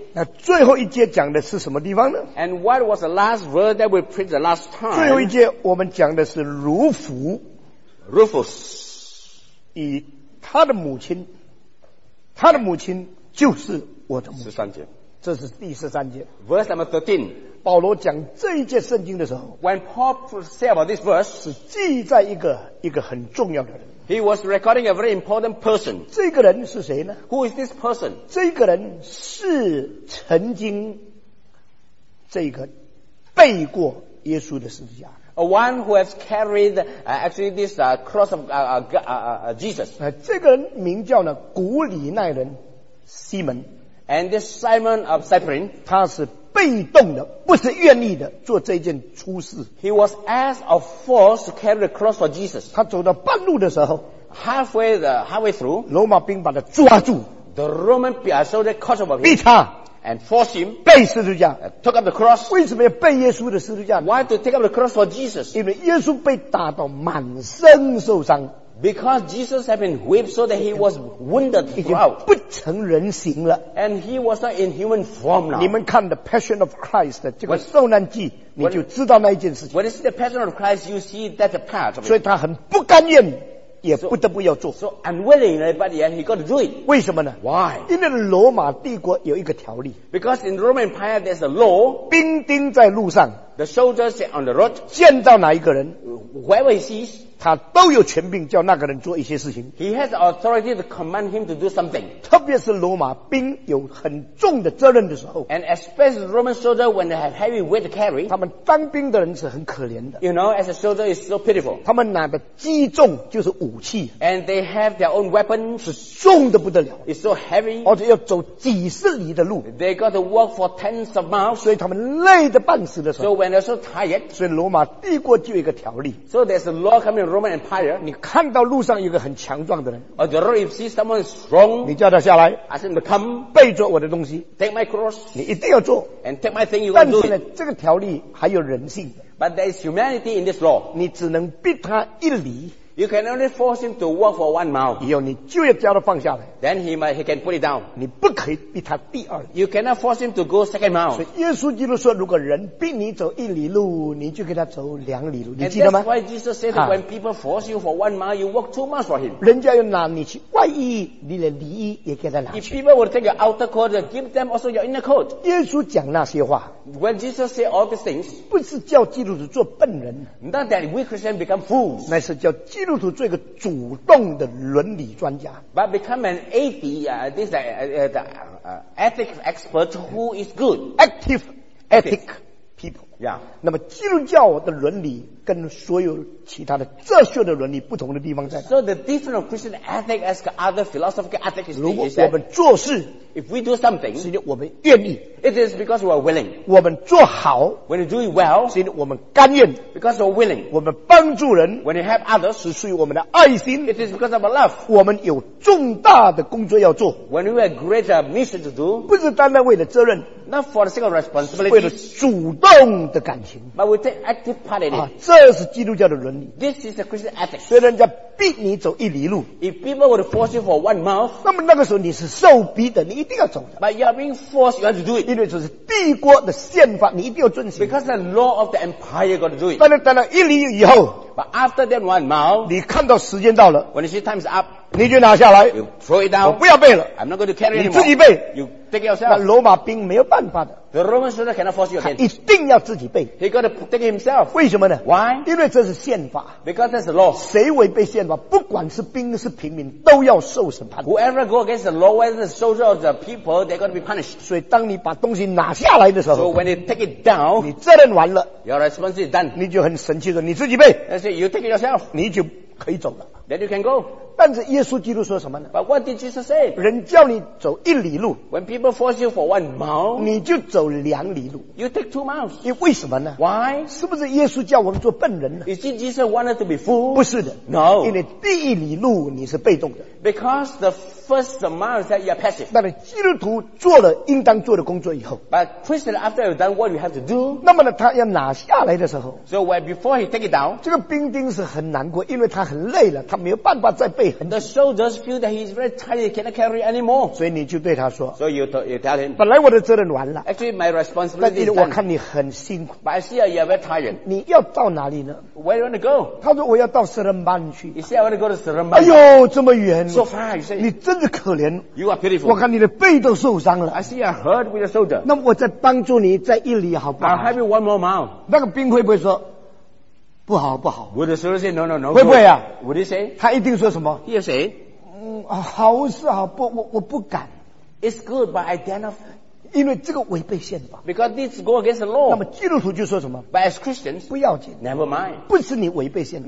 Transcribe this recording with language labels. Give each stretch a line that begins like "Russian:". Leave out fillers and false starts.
Chinese: 那最后一节讲的是什么地方呢
English: ？And what was the last word that we preached the last time?
Chinese: 最后一节我们讲的是如弗
English: ，Rufus
Chinese: 以他的母亲，他的母亲就是我的母亲。十三节，这是第十三节。
English: Verse number 13。
Chinese: 保罗讲这一节圣经的时候
English: ，When Paul say about this verse，
Chinese: 是记在一个很重要的人。
English: He was recording a very important person.
Chinese: 这个人是谁呢
English: ？Who is this person？
Chinese: 这个人是曾经这个背过耶稣的十字架。
English: A one who has carried actually this cross of Jesus.
Chinese: 这个人名叫呢古里奈人西门。
English: And this Simon of Cyprene，
Chinese: 他是被动的，不是愿意的做这件出事。
English: He was asked of force to carry the cross for Jesus.
Chinese: 他走到半路的时候
English: halfway through，
Chinese: 罗马兵把他抓住
English: ，the Roman soldier caught him，
Chinese: 逼他
English: ，and force him
Chinese: 背十字架
English: ，took up the cross。
Chinese: 为什么要背耶稣的十字架
English: ？Why to take up the cross for Jesus？
Chinese: 因为耶稣被打到满身受伤。
English: Because Jesus had been whipped so that he was wounded throughout.
Chinese: 不成人形了。
English: And he was not in human form now.
Chinese: 你们看 The Passion of Christ 的这个受难记，你就知道那一件事情。
English: When you see The Passion of Christ, you see that part.
Chinese: 所以他很不甘愿，也不得不要做。
English: So unwillingly, but yet he got to do it.
Chinese: 为什么呢
English: ？Why?
Chinese: 因为罗马帝国有一个条例。
English: Because in Roman Empire there's a law.
Chinese: 兵丁在路上
English: ，The soldiers on the road.
Chinese: 见到哪一个人
English: ，Whoever he sees.
Chinese: 他都有权柄叫那个人做一些事情。
English: He has authority to command him to do something.
Chinese: 特别是罗马兵有很重的责任的时候。
English: And especially Roman soldier when they have heavy weight to carry.
Chinese: 他们当兵的人是很可怜的。
English: You know, as a soldier is so pitiful.
Chinese: 他们拿的击中就是武器。
English: And they have their own weapon.
Chinese: 是重的不得了。
English: It's so heavy.
Chinese: 而且要走几十里的路。
English: They got to walk for tens of miles.
Chinese: 所以他们累得半死的时候。
English: So when they're so tired.
Chinese: 所以罗马帝国就有一个条例。
English: So there's a law coming. Roman Empire,
Chinese: 你看到路上有个很强壮的人
English: or the road, if you see someone strong,
Chinese: 你叫他下来
English: ask him to come,
Chinese: 背着我的东西
English: take my cross,
Chinese: 你一定要做
English: and take my thing, you can do it.
Chinese: 但是呢这个条例还有人性
English: but there is humanity in this law.
Chinese: 你只能逼他一里
English: you can only force him to walk for 1 mile.
Chinese: 以后你就要叫他放下来
English: then he can put it down.
Chinese: 你不可以逼他第二
English: you cannot force him to go 2nd mile.
Chinese: 所以耶稣基督说如果人逼你走一里路你就给他走两里路你记得吗
English: and that's why Jesus said that when people force you for 1 mile, you walk 2 miles for him.
Chinese: 人家要拿你去外衣你的里衣也给他拿去
English: if people will take your outer coat give them also your inner coat.
Chinese: 耶稣讲那些话
English: when Jesus said all these things
Chinese: 不是叫基督徒做笨人
English: not that we Christians become fools.
Chinese: 那是叫基督徒做一个主动的伦理专家
English: but become an ethics expert who is good active ethic people yeah
Chinese: 那么基督教的伦理跟所有其他的哲学的伦理不同的地方在哪
English: so the difference of Christian ethic as other philosophical ethics is that
Chinese: 如果我们做事
English: if we do something
Chinese: 是因为我们愿意
English: it is because we are willing
Chinese: 我们做好
English: when you do it well
Chinese: 是因为我们甘愿
English: because we are willing
Chinese: 我们帮助人
English: when you help others
Chinese: 是出于我们的爱心
English: it is because of our love
Chinese: 我们有重大的工作要做
English: when we have greater mission to do
Chinese: 不是单单为了责任
English: not for the sake of responsibility
Chinese: 为了主动的感情
English: but we take active part in it、
Chinese: 这是基督教的伦理。
English: This is a Christian ethics.
Chinese: 虽然人家逼你走一里路
English: ，If people would force you for 1 mile，
Chinese: 那么那个时候你是受逼的，你一定要走的。
English: But you are being forced, you have to do it.
Chinese: 因为这是帝国的宪法，你一定要遵守。
English: Because the law of the empire got to do it.
Chinese: 但是等到一里以后
English: ，But after that 1 mile，
Chinese: 你看到时间到了
English: ，When you see time is up，
Chinese: 你就拿下来
English: ，You throw it down，
Chinese: 我不要背了
English: ，I'm not going to carry it anymore。
Chinese: 你自己背
English: ，You take it yourself。
Chinese: 那罗马兵没有办法的。
English: The Roman soldier cannot force you again.
Chinese: 他一定要自己背。
English: He got to take it himself.
Chinese: 为什么呢
English: ？Why？
Chinese: 因为这是宪法。
English: Because that's the law.
Chinese: 谁违背宪法，不管是兵是平民，都要受审判。
English: Whoever go against the law, whether the soldier or the people, they got to be punished.
Chinese: 所以当你把东西拿下来的时候
English: ，So when you take it down,
Chinese: 你责任完了
English: ，Your responsibility is done.
Chinese: 你就很神气的，你自己背。
English: And say you take it yourself.
Chinese: 你就可以走了。
English: Then you can go.
Chinese: 但是耶稣基督说什么呢
English: ？But what did Jesus say？
Chinese: 人叫你走一里路
English: ，When people force you for 1 mile，
Chinese: 你就走两里路。
English: You take 2 miles。
Chinese: 你为什么呢
English: ？Why？
Chinese: 是不是耶稣叫我们做笨人呢
English: ？Is Jesus wanted to be fool？
Chinese: 不是的
English: ，No。
Chinese: 因为第一里路你是被动的
English: ，Because the first mile is that you are passive。
Chinese: 那么基督徒做了应当做的工作以后
English: ，But Christian after you've done what you have to do，
Chinese: 那么呢他要拿下来的时候
English: ，So when before he take it down，
Chinese: 这个兵丁是很难过，因为他很累了，他没有办法再背。很
English: The soldiers feel that he's very tired, he cannot carry anymore.
Chinese: 所以你就对他说
English: So you tell him.
Chinese: 本来我的责任完了
English: Actually, my responsibility is done.
Chinese: 我看你很辛苦
English: But I see you are very tired.
Chinese: 你要到哪里呢
English: Where you want to go?
Chinese: 他说我要到斯伦班去
English: He said, I want to go to 斯伦班
Chinese: 哎呦这么远
English: So far, you say.
Chinese: 你真的可怜
English: You are pitiful.
Chinese: 我看你的背都受伤了
English: I see you hurt with your shoulder.
Chinese: 那我再帮助你再一里好不好
English: I'll help you one more mile.
Chinese: 那个兵会不会说不好不好
English: Would the soldier say no no no
Chinese: 会不会啊
English: Would he say
Chinese: 他一定说什么
English: He'll say、
Chinese: 好是好不 我不敢
English: It's good but I dare not
Chinese: 因为这个违背宪法
English: Because this go against the law
Chinese: 那么基督徒就说什么
English: But as Christians
Chinese: 不要紧
English: Never mind
Chinese: 不是你违背宪法